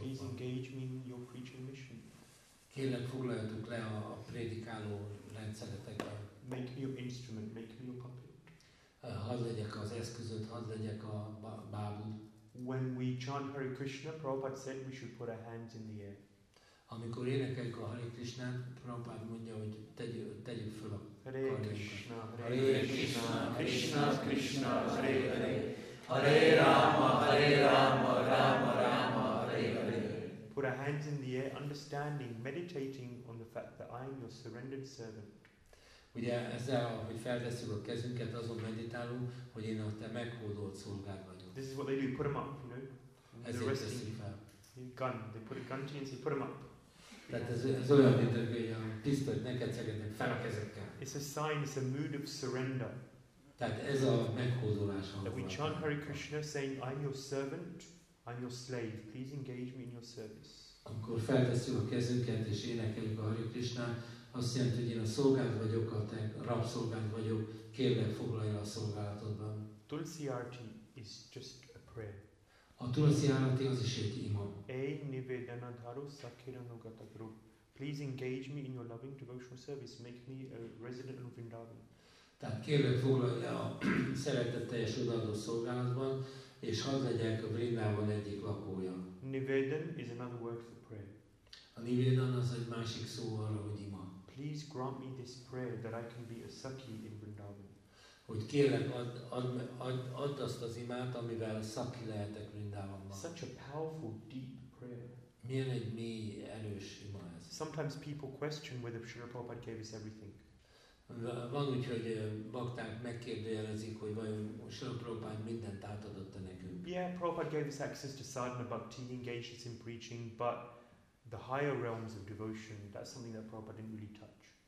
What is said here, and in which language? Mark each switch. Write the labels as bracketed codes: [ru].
[en] Please engage me in your preaching mission. [hu] Kérlek, foglaljatok le a prédikáló rendszeretekbe. [en] Make me your instrument, make me your puppet. [hu] Hadd legyek az eszközöt, hadd legyek a bábud. [en] When we chant Hare Krishna, Prabhupada said we should put our hands in the air. [hu] Amikor énekeljük a Hare Krishnát, Prabhupada mondja, hogy tegyük fel a karjunkat. [sa] Hare Krishna, Krishna, Krishna, Hare Hare. Hare Rama, Hare Rama, Rama Rama, Hare Hare. [en] Put our hands in the air, understanding, meditating on the fact that I am your surrendered servant. [hu] Ugye ezzel, hogy felveszünk a kezünket, azon meditálunk, hogy én a te meghódolt szolgád vagyok. [en] This is what they do, put them up, you know. [hu] Ezért teszik fel. [en] Gun, they put a gun to you and say, put them up. [hu] Tehát ez olyan, mint hogy a tisztelt neked szegednek fel a kezekkel. [en] It's a sign, it's a mood of surrender. [hu] Tehát ez a meghódolás hangulat. [en] That we chant Hare Krishna saying, I'm your servant, I'm your slave, please engage me in your service. [hu] Amikor felveszünk a kezünket és énekeljük a Hare Krishnát, azt jelenti, hogy én a szolgád vagyok, a te rabszolgád vagyok, kérlek foglalj el a szolgálatodban. [en] Tulsi arti is just a prayer. [hu] A tulsi arti az is egy ima. [bn] Ei nivedana dharu sakirana gata guru. [en] Please engage me in your loving devotional service. Make me a resident of Vrindavan. [hu] Tehát kérlek foglalj el a szeretetteljes odaadó szolgálatban, és hadd legyek a Vrindavan egyik lakója. [en] Nivedan is another word for prayer. [hu] A nivedan az egy másik szó arra, hogy ima. [en] Please grant me this prayer that I can be a sakhi in Vrindavan. [hu] Hogy kérlek, add azt az imát, amivel sakhi lehetek Vrindavanban. [en] Such a powerful, deep prayer. [hu] Milyen egy mély, erős ima ez. [en] Sometimes people question whether Srila Prabhupada gave us everything. [hu] Van úgy, hogy bakták megkérdőjelezik, hogy vajon Srila Prabhupada mindent átadott nekünk. [en] Yeah, Prabhupada gave us access to sadhana bhakti, engaged us in preaching, but the higher realms of devotion, that's something that Prabhupada didn't really touch.